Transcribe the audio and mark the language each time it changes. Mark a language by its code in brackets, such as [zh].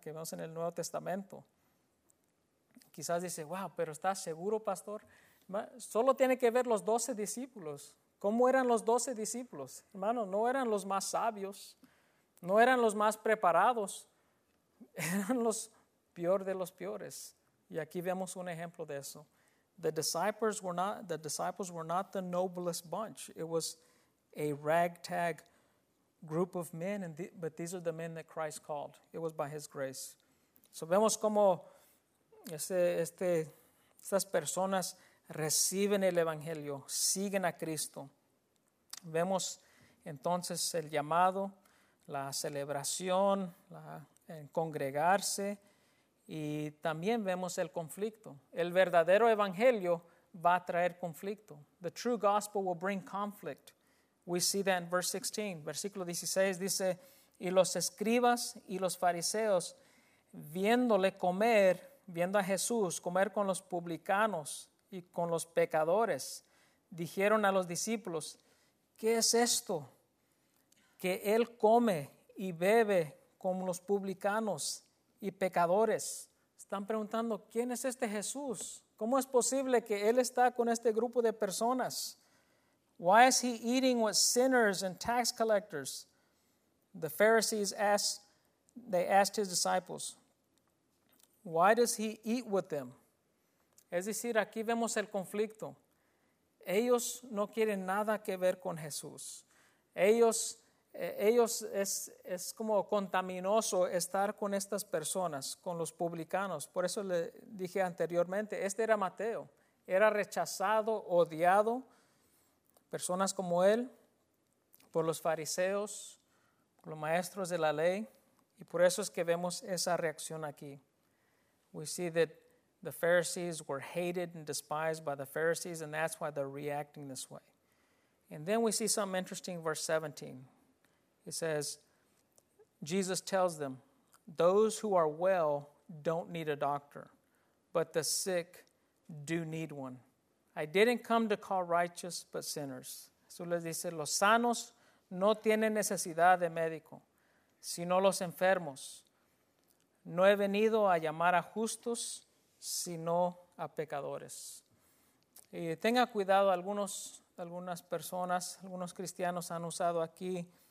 [es] Que vemos en el Nuevo Testamento. Quizás dice, wow, pero ¿estás seguro, pastor? Solo tiene que ver los 12 discípulos. ¿Cómo eran los 12 discípulos? Hermano, no eran los más sabios, no eran los más preparados, eran los peor de los peores. Y aquí vemos un ejemplo de eso. [en] The disciples were not the noblest bunch. It was a ragtag group of men, but these are the men that Christ called. It was by his grace. [es] So vemos cómo estas personas reciben el Evangelio, siguen a Cristo. Vemos entonces el llamado, la celebración, el congregarse, y también vemos el conflicto. El verdadero Evangelio va a traer conflicto. [en] The true gospel will bring conflict. We see that in verse 16. [es] Versículo 16 dice, y los escribas y los fariseos, viéndole comer, viendo a Jesús comer con los publicanos y con los pecadores, dijeron a los discípulos, ¿qué es esto? Que él come y bebe con los publicanos y pecadores. Están preguntando, ¿quién es este Jesús? ¿Cómo es posible que él está con este grupo de personas? [en] Why is he eating with sinners and tax collectors? The Pharisees asked his disciples, why does he eat with them? [es] Es decir, aquí vemos el conflicto. Ellos no quieren nada que ver con Jesús. Ellos es como contaminoso estar con estas personas, con los publicanos. Por eso le dije anteriormente, este era Mateo. Era rechazado, odiado. Personas como él, por los fariseos, por los maestros de la ley. Y por eso es que vemos esa reacción aquí. [en] We see that the Pharisees were hated and despised by the Pharisees, and that's why they're reacting this way. And then we see something interesting in verse 17. It says, Jesus tells them, those who are well don't need a doctor, but the sick do need one. I didn't come to call righteous, but sinners. [es] Jesús les dice, los sanos no tienen necesidad de médico, sino los enfermos. No he venido a llamar a justos, sino a pecadores. Y tenga cuidado, algunas personas, algunos cristianos han usado aquí